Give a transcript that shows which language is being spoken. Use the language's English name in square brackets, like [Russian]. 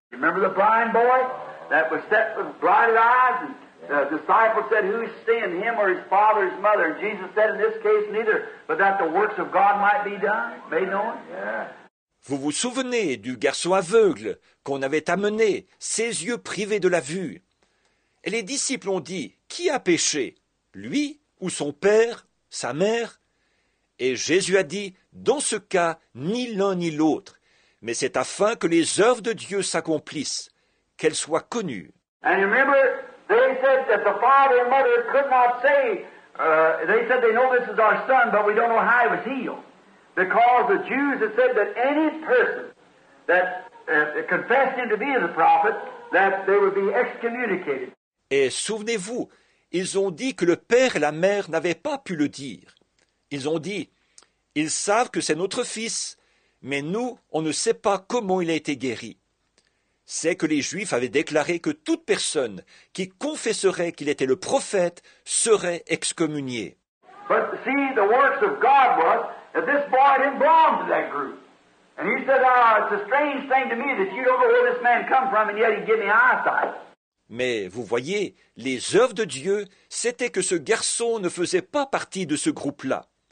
[English] You remember the blind boy that was set with blinded eyes? And the disciples said, who's sin, him or his father, his mother? And Jesus said, in this case, neither, but that the works of God might be done, made known. Yeah. [French] Vous vous souvenez du garçon aveugle qu'on avait amené, ses yeux privés de la vue. Et les disciples ont dit, qui a péché, lui ou son père, sa mère? Et Jésus a dit, dans ce cas, ni l'un ni l'autre, mais c'est afin que les œuvres de Dieu s'accomplissent, qu'elles soient connues. [English] And you remember, they said that the father and mother could not say, they said they know this is our son, but we don't know how he was healed. Because the Jews had said that any person that confessed him to be the prophet, that they would be excommunicated. [French] Et souvenez-vous, ils ont dit que le père et la mère n'avaient pas pu le dire. Ils ont dit, ils savent que c'est notre fils, mais nous, on ne sait pas comment il a été guéri. C'est que les Juifs avaient déclaré que toute personne qui confesserait qu'il était le prophète serait excommuniée. [English] But see, the works of God was that this boy didn't belong to that group. And he said, it's a strange thing to me that you don't know where this man come from and yet he give me eyesight. [French] Mais vous voyez, les œuvres de Dieu, c'était que ce garçon ne faisait pas partie de ce groupe-là.